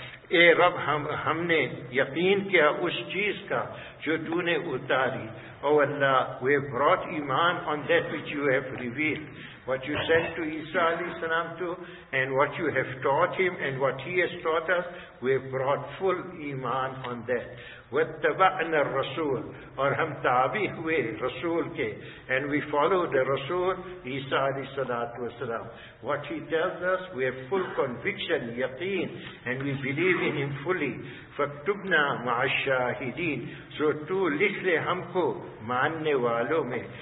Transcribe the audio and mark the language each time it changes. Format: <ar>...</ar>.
<ur>Ey Rabb, humne yaqeen kiya us cheez ka, jo tu ne utari.</ur> <en>Oh Allah, we have brought iman on that which you have revealed. What you sent to Isa alayhi salam to, and what you have taught him, and what he has taught us, we have brought full iman on that.</en> <ar>وَاتَّبَعْنَا الرَّسُولِ</ar> <ur>اور ہم تابع ہوئے رسول کے.</ur> <en>And we follow the رسول عیسیٰ علیہ السلام. What he tells us, we have full conviction, yaqeen, and we believe in him fully.</en> <ar>فَاكْتُبْنَا مَعَ الشَّاهِدِينَ,</ar> <ur>so تو لکھ لے ہم کو ماننے والوں میں.</ur>